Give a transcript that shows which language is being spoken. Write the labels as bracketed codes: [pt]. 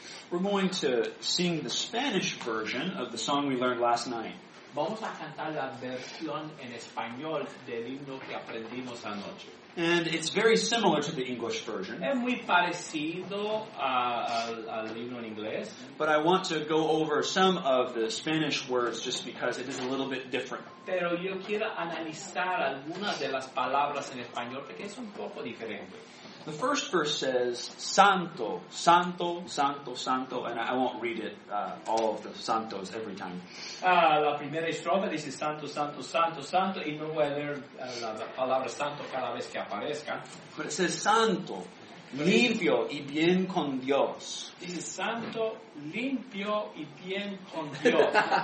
[en] We're going to sing the Spanish version of the song we learned last night. [es] Vamos a cantar la versión en español del himno que aprendimos anoche. [en] And it's very similar to the English version. [es] Es muy parecido al himno en inglés. [en] But I want to go over some of the Spanish words just because it is a little bit different. [es] Pero yo quiero analizar algunas de las palabras en español porque es un poco diferente. [en] The first verse says, Santo, Santo, Santo, Santo, and I won't read it, all of the Santos every time. [es] La primera estrofa dice Santo, Santo, Santo, Santo, y no voy a leer la palabra Santo cada vez que aparezca. [en] But it says, [es] Santo, limpio y bien con Dios. Dice Santo, limpio y bien con Dios.